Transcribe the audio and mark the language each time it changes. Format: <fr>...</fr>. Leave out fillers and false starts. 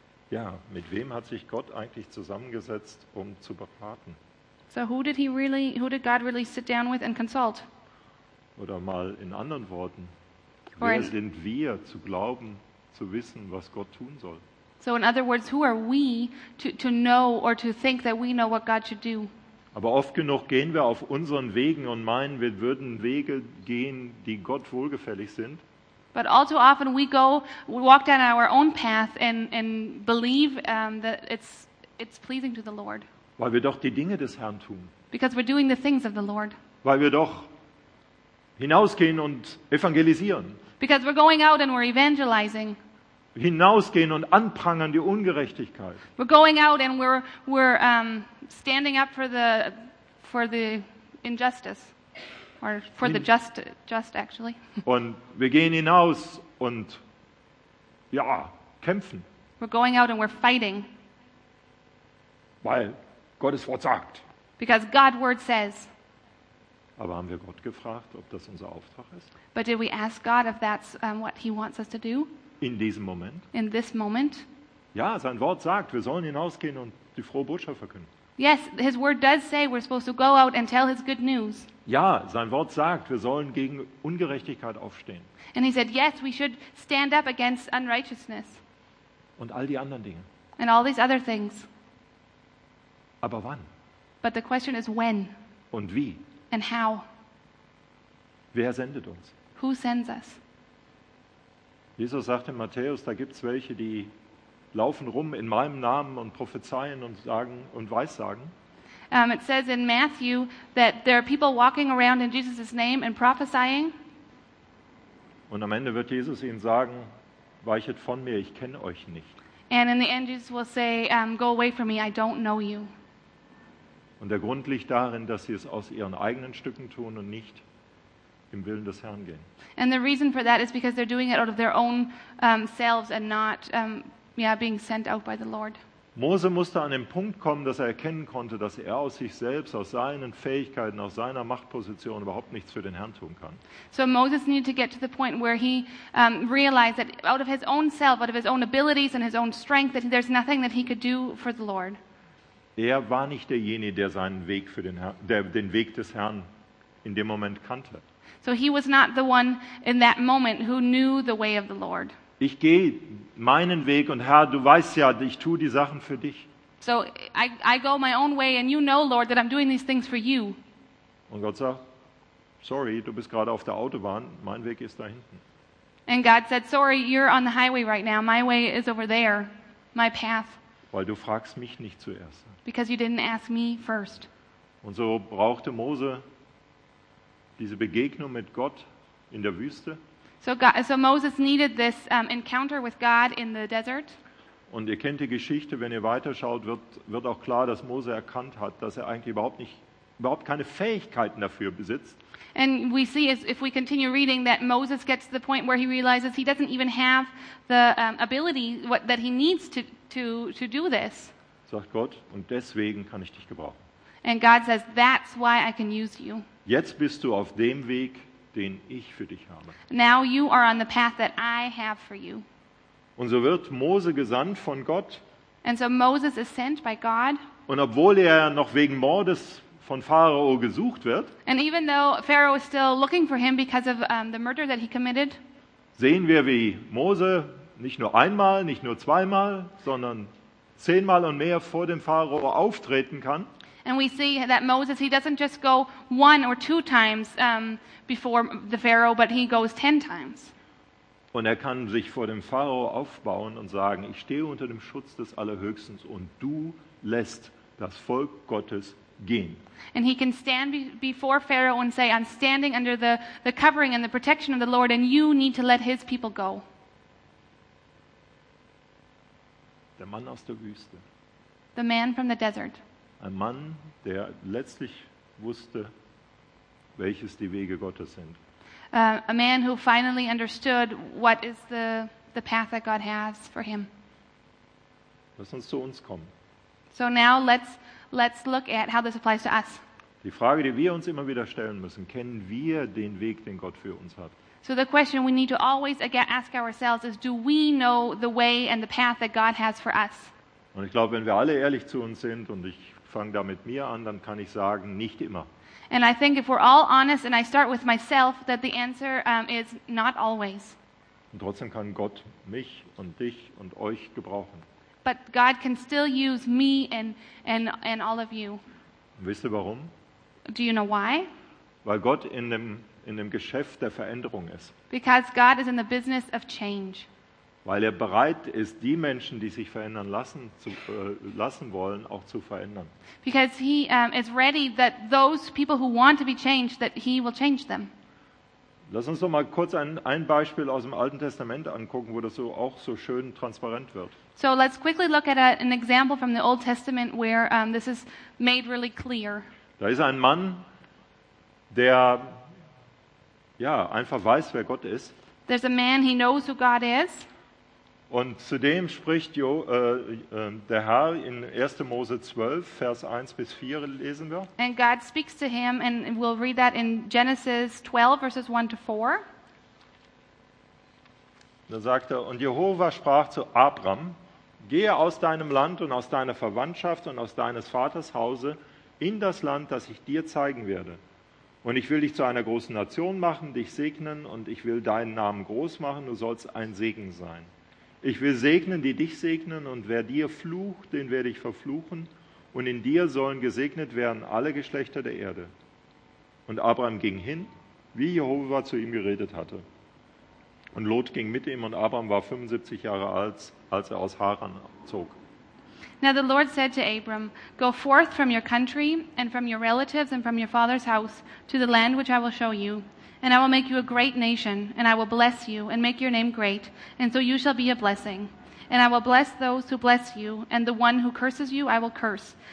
<de>Ja, mit wem hat sich Gott eigentlich zusammengesetzt, um zu beraten?</de> <en>So who did God really sit down with and consult?</en> <de>Oder mal in anderen Worten, wer sind wir zu glauben, zu wissen, was Gott tun soll?</de> <en>So in other words, who are we to know or to think that we know what God should do?</en> <de>Aber oft genug gehen wir auf unseren Wegen und meinen, wir würden Wege gehen, die Gott wohlgefällig sind.</de> <en>But all too often we go, we walk down our own path and believe that it's pleasing to the Lord.</en> <de>Weil wir doch die Dinge des Herrn tun.</de> <en>Because we're doing the things of the Lord.</en> <de>Weil wir doch hinausgehen und evangelisieren.</de> <en>Because we're going out and we're evangelizing.</en> <de>Hinausgehen und anprangern die Ungerechtigkeit.</de> <en>We're going out and we're standing up for the injustice or for the just actually.</en> <de>Und wir gehen hinaus und ja, kämpfen.</de> <en>We're going out and we're fighting.</en> <de>Weil Gottes Wort sagt.</de> <en>Because God's word says.</en> <de>Aber haben wir Gott gefragt, ob das unser Auftrag ist?</de> <en>But did we ask God if that's what he wants us to do?</en> <de>In diesem Moment?</de> <en>In this moment?</en> <de>Ja, sein Wort sagt, wir sollen hinausgehen und die frohe Botschaft verkünden.</de> <en>Yes, his word does say we're supposed to go out and tell his good news.</en> <de>Ja, sein Wort sagt, wir sollen gegen Ungerechtigkeit aufstehen.</de> <en>And he said, yes, we should stand up against unrighteousness.</en> <de>Und all die anderen Dinge.</de> <en>And all these other things.</en> <de>Aber wann?</de> <en>But the question is when.</en> <de>Und wie?</de> <en>And how.</en> <de>Wer sendet uns?</de> <en>Who sends us?</en> <de>Jesus sagt in Matthäus, da gibt es welche, die laufen rum in meinem Namen und prophezeien und sagen und weissagen.</de> <en>It says in Matthew that there are people walking around in Jesus' name and prophesying.</en> <de>Und am Ende wird Jesus ihnen sagen, weichet von mir, ich kenne euch nicht.</de> <en>And in the end Jesus will say, go away from me, I don't know you.</en> <de>Und der Grund liegt darin, dass sie es aus ihren eigenen Stücken tun und nicht im Willen des Herrn gehen.</de> <en>And the reason for that is because they're doing it out of their own selves and not being sent out by the Lord.</en> <de>Mose musste an den Punkt kommen, dass er erkennen konnte, dass er aus sich selbst, aus seinen Fähigkeiten, aus seiner Machtposition überhaupt nichts für den Herrn tun kann.</de> <en>So Moses needed to get to the point where he realized that out of his own self, out of his own abilities and his own strength, that there's nothing that he could do for the Lord.</en> <de>Er war nicht derjenige, der seinen Weg für den Herrn, der den Weg des Herrn in dem Moment kannte.</de> <en>So he was not the one in that moment who knew the way of the Lord.</en> <de>Ich gehe meinen Weg und Herr, du weißt ja, ich tue die Sachen für dich.</de> <en>So I go my own way and you know, Lord, that I'm doing these things for you.</en> <de>Und Gott sagt, sorry, du bist gerade auf der Autobahn, mein Weg ist da hinten.</de> <en>And God said, sorry, you're on the highway right now, my way is over there, my path.</en> <de>Weil du fragst mich nicht zuerst.</de> <en>Because you didn't ask me first.</en> <de>Und so brauchte Mose diese Begegnung mit Gott in der Wüste.</de> <en>So Moses needed this encounter with God in the desert.</en> <de>Und ihr kennt die Geschichte, wenn ihr weiterschaut, wird auch klar, dass Mose erkannt hat, dass er eigentlich überhaupt keine Fähigkeiten dafür besitzt.</de> <en>And we see if we continue reading that Moses gets to the point where he realizes he doesn't even have the ability that he needs to do this.</en> <de>Sagt Gott, und deswegen kann ich dich gebrauchen.</de> <en>And God says, that's why I can use you.</en> <de>Jetzt bist du auf dem Weg, den ich für dich habe.</de> <en>Now you are on the path that I have for you.</en> <de>Und so wird Mose gesandt von Gott.</de> <en>And so Moses is sent by God.</en> <de>Und obwohl er noch wegen Mordes von Pharao gesucht wird,</de> <en>and even though Pharaoh is still looking for him because of the murder that he committed,</en> <de>sehen wir, wie Mose nicht nur einmal, nicht nur zweimal, sondern 10-mal und mehr vor dem Pharao auftreten kann.</de> <en>And we see that Moses, he doesn't just go one or two times before the Pharaoh, but he goes 10 times.</en> <de>Und er kann sich vor dem Pharao aufbauen und sagen, ich stehe unter dem Schutz des Allerhöchsten und du lässt das Volk Gottes gehen.</de> <en>And he can stand before Pharaoh and say, I'm standing under the covering and the protection of the Lord and you need to let his people go.</en> <de>Der Mann aus der Wüste.</de> <en>The man from the desert.</en> <de>Ein Mann, der letztlich wusste, welches die Wege Gottes sind.</de> <en>A man who finally understood what is the path that God has for him.</en> <de>Lass uns zu uns kommen.</de> <en>So now let's look at how this applies to us.</en> <de>Die Frage, die wir uns immer wieder stellen müssen, kennen wir den Weg, den Gott für uns hat?</de> <en>So the question we need to always ask ourselves is, do we know the way and the path that God has for us?</en> <de>Und ich glaube, wenn wir alle ehrlich zu uns sind und ich fange da mit mir an, dann kann ich sagen, nicht immer.</de> <en>And I think if we're all honest and I start with myself, that the answer is not always.</en> <de>Und trotzdem kann Gott mich und dich und euch gebrauchen.</de> <en>But God can still use me and all of you.</en> <de>Und wisst ihr warum?</de> <en>Do you know why?</en> <de>Weil Gott in dem Geschäft der Veränderung ist.</de> <en>Because God is in the business of change.</en> <de>Weil er bereit ist, die Menschen, die sich verändern lassen, lassen wollen, auch zu verändern.</de> <en>Because he is ready that those people who want to be changed, that he will change them.</en> <de>Lass uns doch mal kurz ein Beispiel aus dem Alten Testament angucken, wo das so auch so schön transparent wird.</de> <en>So let's quickly look at an example from the Old Testament where this is made really clear.</en> <de>Da ist ein Mann, der ja einfach weiß, wer Gott ist.</de> <en>There's a man, he knows who God is.</en> <de>Und zudem spricht der Herr in 1. Mose 12, Vers 1 bis 4, lesen wir.</de> <en>And God speaks to him, and we'll read that in Genesis 12, verses 1 to 4.</en> <de>Da sagt er, und Jehova sprach zu Abram, gehe aus deinem Land und aus deiner Verwandtschaft und aus deines Vaters Hause in das Land, das ich dir zeigen werde. Und ich will dich zu einer großen Nation machen, dich segnen, und ich will deinen Namen groß machen, du sollst ein Segen sein. Ich will segnen, die dich segnen, und wer dir flucht, den werde ich verfluchen, und in dir sollen gesegnet werden alle Geschlechter der Erde. Und Abraham ging hin, wie Jehova zu ihm geredet hatte. Und Lot ging mit ihm, und Abraham war 75 Jahre alt, als er aus Haran zog.</de> <en>Now the Lord said to Abram, go forth from your country, and from your relatives, and from your father's house, to the land which I will show you. And I will make you a great nation, and I will bless you, and make your name great, and so you shall be a blessing. And I will bless those who bless you, and the one who curses you I will curse.</en>